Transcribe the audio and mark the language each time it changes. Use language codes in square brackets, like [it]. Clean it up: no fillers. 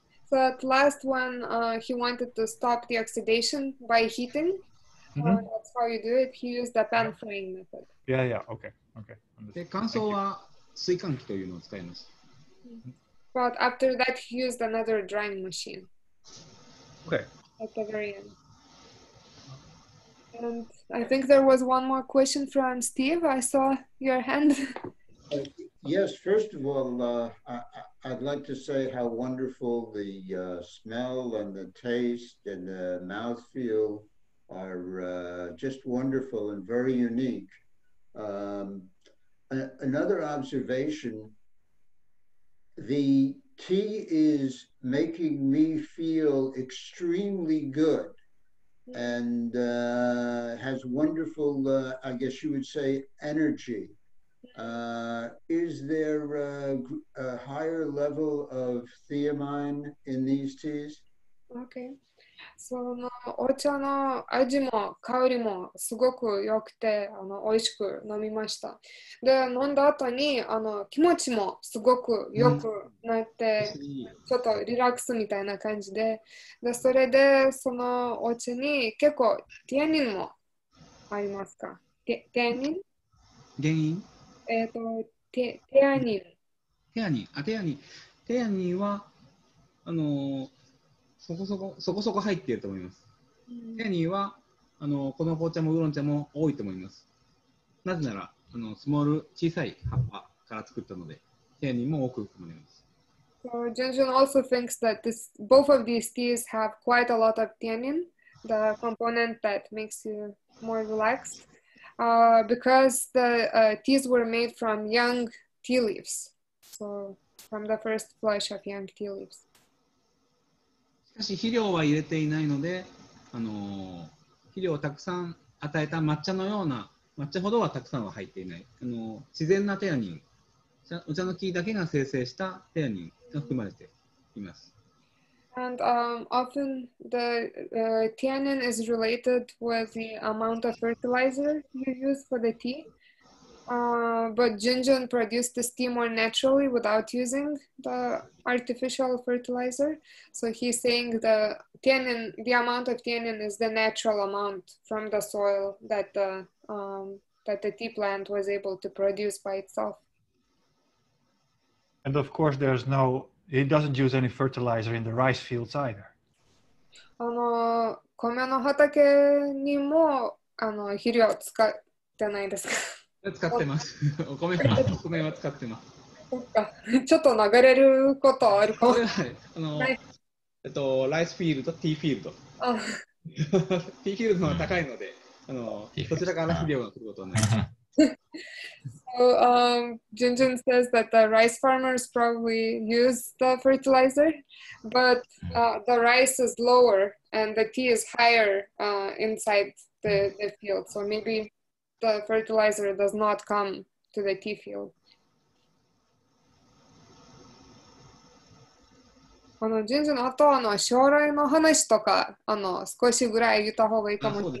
[en] So at last when he wanted to stop the oxidation by heating. That's how you do it. He used the pan frying method. Yeah, okay. [ja] で、乾燥は水乾機というのを使います。 [en] But after that, he used another drying machine. Okay. At the very end. And I think there was one more question from Steve. I saw your hand. Yes, first of all, I'd like to say how wonderful the smell and the taste and the mouthfeel are, just wonderful and very unique. Another observation, the tea is making me feel extremely good and has wonderful, I guess you would say, energy. Is there a higher level of theamine in these teas? Okay. [ja] そのお茶の味も香りもすごく良くてあの美味しく飲みました。で飲んだ後にあの気持ちもすごく良くなってちょっとリラックスみたいな感じで、でそれでそのお茶に結構テアニンもありますか？テアニン？原因？テアニン。テアニン。あテアニン。テアニンはあの。そこそこ入っていると思います。テアニンはあのこの紅茶もウーロン茶も多いと思います。なぜならあのスモール小さい葉っぱから作ったのでテアニンも多く含まれます。 [en] So Junjun also thinks that this both of these teas have quite a lot of tannin, the component that makes you more relaxed, because the teas were made from young tea leaves, so from the first flush of young tea leaves. [ja] しかし肥料は入れていないので、肥料をたくさん与えた抹茶のような抹茶ほどはたくさんは入っていない。自然なテアニン、お茶の木だけが生成したテアニンが含まれています。 [en] And often the tannin is related with the amount of fertilizer you use for the tea. But Junjun produced this tea more naturally without using the artificial fertilizer. So he's saying the tannin, the amount of tannin is the natural amount from the soil that the tea plant was able to produce by itself. And of course, there's no, he doesn't use any fertilizer in the rice fields either. [ja] あの、米の畑にもあの、肥料使ってないですか？使ってます。お米は使ってます。そっか、ちょっと流れることあるかも。あの、ライスフィールド、ティーフィールド。あ、ティーフィールドの方が高いので、あの、こちらから肥料が来ることはない。 [en] So, Junjun says that the rice farmers probably use the fertilizer, but the rice is lower and the tea is higher inside the field. So maybe. The fertilizer does not come to the tea field. [ja] あの、順次の後、あの、将来の話とか、あの、少しぐらい言った方がいいかもしれない。